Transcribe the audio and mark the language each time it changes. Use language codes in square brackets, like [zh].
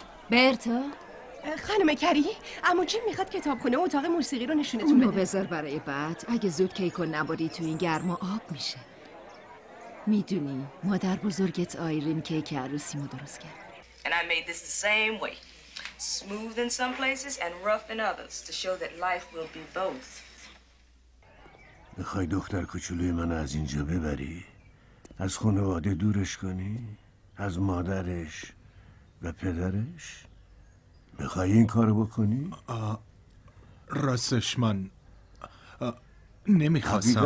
[fa] برتا، خانم کری، عمو جیم میخواد کتابخونه و اتاق موسیقی رو نشونتون بده. اونو بذار برای بعد، اگه زود کیکو نبودی تو این گرما آب میشه. میدونی مادر بزرگت آیرین کیک عروسیمو درست کرد. [en] And I made this the same way. Smooth in some places and rough in others to show that life will be both. [fa] میخوای دختر کوچولوی منو از اینجا ببری؟ از خانواده دورش کنی؟ از مادرش و پدرش؟ میخوای این کارو بکنی؟ راستش من نمیخواستم.